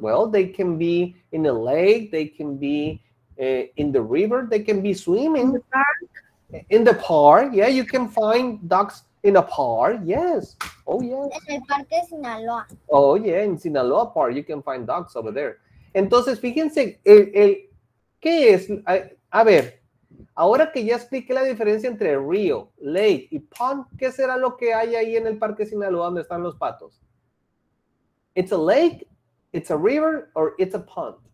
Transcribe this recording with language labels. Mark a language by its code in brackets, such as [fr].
[en] Well, they can be in a lake, they can be in the river, they can be swimming. In the park. In the park, yeah, you can find ducks in a park, yes. Oh, yeah. [es] En el parque de Sinaloa. [en] Oh, yeah, in Sinaloa Park, you can find ducks over there. [es] Entonces, fíjense, el ¿qué es? A ver, ahora que ya expliqué la diferencia entre río, lake y pond, ¿qué será lo que hay ahí en el Parque Sinaloa donde están los patos? [en] ¿It's a lake, it's a river, or it's a pond?